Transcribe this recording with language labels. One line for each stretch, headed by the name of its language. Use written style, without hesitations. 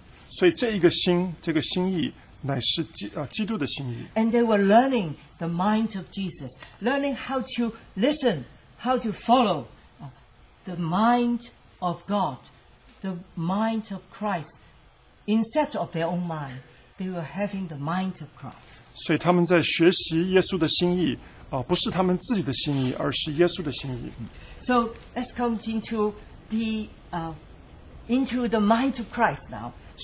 Chinese: 所以这一个心，这个心意乃是基督的心意。
English: And they were learning the minds of Jesus, learning how to listen, how to follow the mind of God, the mind of Christ. Instead of their own mind, they were having the mind of Christ.
Chinese: 所以他们在学习耶稣的心意，不是他们自己的心意，而是耶稣的心意。
English: So let's come into the mind of Christ now.